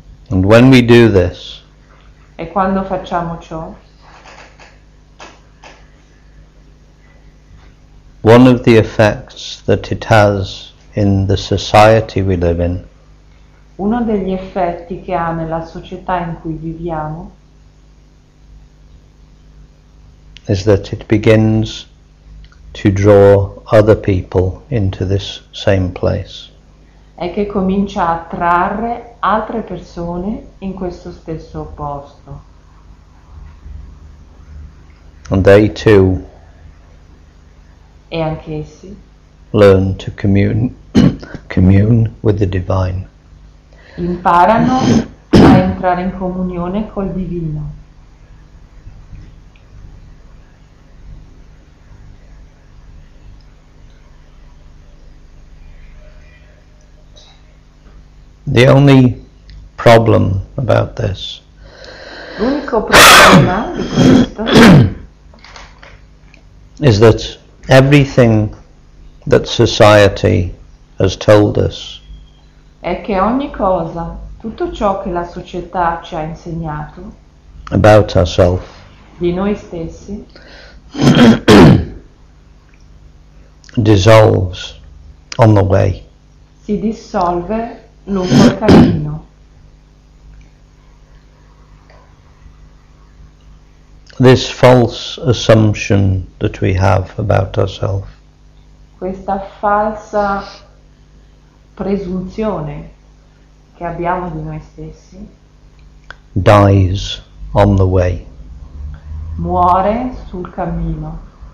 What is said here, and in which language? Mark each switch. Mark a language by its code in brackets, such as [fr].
[en] And when we do this. [it] E quando facciamo ciò. [en] One of the effects that it has in the society we live in. [it] Uno degli effetti che ha nella società in cui viviamo. [en] Is that it begins to draw other people into this same place. [it] È che comincia a attrarre altre persone in questo stesso posto. [en] And they too. [it] E anch'essi. [en] Learn to commune with the divine. [it] Imparano a entrare in comunione col divino. [en] The only problem about this. [it] L'unico problema di questo [en] is that everything that society has told us. [it] È che ogni cosa, tutto ciò che la società ci ha insegnato [en] about ourselves. [it] Di noi stessi [en] dissolves on the way. [it] Si dissolve lungo il cammino. [en] This false assumption that we have about ourselves. [it] Questa falsa presunzione che abbiamo di noi stessi. [en] Dies on the way. [it] Muore sul cammino.